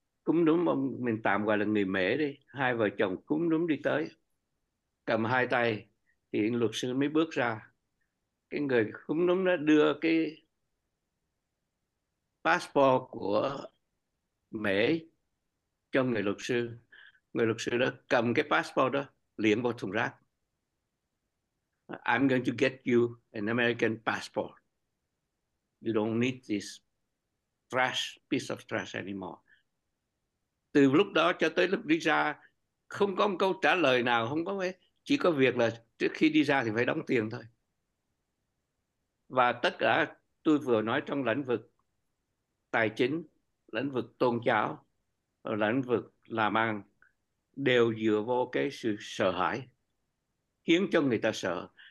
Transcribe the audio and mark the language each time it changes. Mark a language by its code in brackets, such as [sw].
[vi] cúng núm ông, mình tạm gọi là người mẹ đi, hai vợ chồng cúng núm đi tới, cầm hai tay, thì luật sư mới bước ra. Cái người cúng núm đó đưa cái passport của mẹ cho người luật sư. Người luật sư đó cầm cái passport đó, liệm vào thùng rác. [en] I'm going to get you an American passport. You don't need this trash, piece of trash anymore. [vi] Từ lúc đó cho tới lúc đi ra, không có một câu trả lời nào, không có mấy. Chỉ có việc là trước khi đi ra thì phải đóng tiền thôi. Và tất cả tôi vừa nói trong lĩnh vực tài chính, lĩnh vực tôn giáo, lĩnh vực làm ăn, đều dựa vào cái sự sợ hãi, khiến cho người ta sợ.